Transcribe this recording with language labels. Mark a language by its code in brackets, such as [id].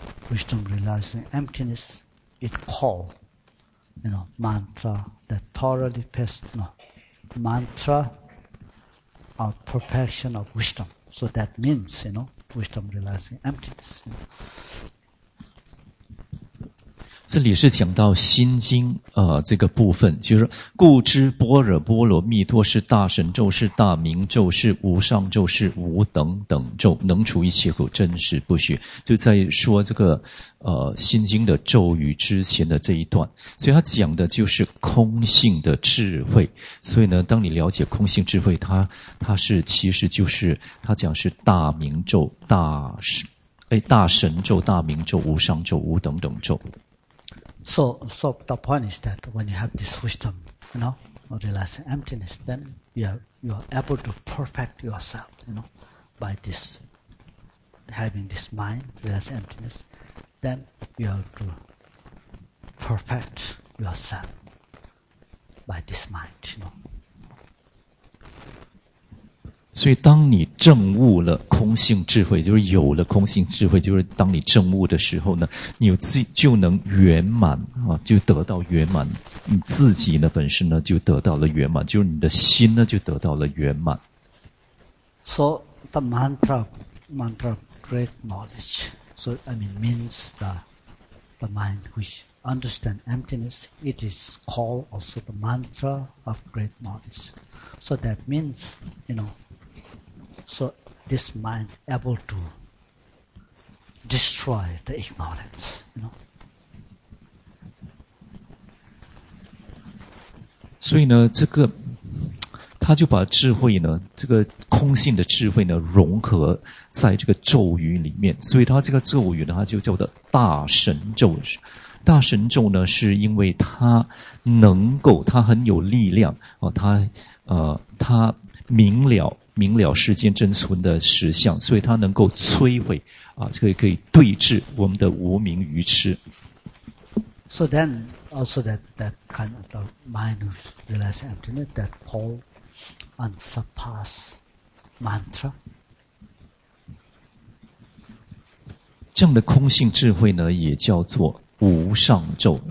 [en] Wisdom realizing emptiness, it call, you know, mantra that thoroughly pass, no. Mantra of perfection of wisdom. So that means, you know, wisdom realizing emptiness, you know. [zh] 这里是讲到心经这个部分，就是故知般若波罗蜜多是大神咒，是大明咒，是无上咒，是无等等咒，能除一切苦，真实不虚。就在说这个心经的咒语之前的这一段，所以他讲的就是空性的智慧。所以呢，当你了解空性智慧，它是其实就是他讲是大明咒、大神咒、大明咒、无上咒、无等等咒。 [en] So the point is that when you have this wisdom, you know, or realize emptiness, then you are able to perfect yourself, you know, by this, having this mind, realize emptiness, then you have to perfect yourself by this mind, you know. [zh] 所以当你证悟了空性智慧，就是有了空性智慧，就是当你证悟的时候呢，你就能圆满啊，就得到圆满，你自己呢本身呢就得到了圆满，就是你的心呢就得到了圆满。 [en] So the mantra great knowledge, so I mean means the mind which understand emptiness, it is called also the mantra of great knowledge. So that means, you know,So this mind able to destroy the ignorance, you know. [zh] 所以呢，这个他就把智慧呢，这个空性的智慧呢，融合在这个咒语里面。所以他这个咒语呢，他就叫做大神咒。大神咒呢，是因为他能够，他很有力量啊，他明了世间真存的实相，所以它能够摧毁啊，可以对治我们的无明愚痴。 [en] So then, also that kind of the mind who realize emptiness, that call unsurpassed mantra. [zh] 这样的空性智慧呢，也叫做无上咒。